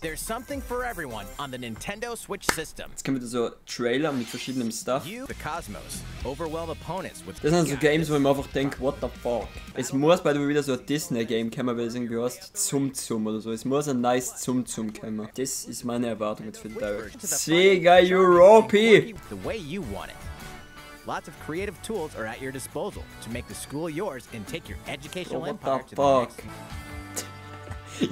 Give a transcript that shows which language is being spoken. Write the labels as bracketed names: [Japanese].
[English] There's something for everyone on the Nintendo Switch system. [German] Jetzt kommen wir da so Trailer mit verschiedenem Stuff. [English] You, the Cosmos, overwhelm opponents with. [German] Das sind so Games, wo ich mir einfach denke, [English] what the fuck. [German] Es muss, [English] by the way, [German] wieder so ein Disney-Game kommen, weil es irgendwie heißt Zum Zum oder so. Es muss ein nice Zum Zum kommen. Das ist meine Erwartung jetzt für die Direct. [English] Sega Europe! The way you want it. Lots of creative tools are at your disposal to make the school yours and take your educational empire to the next.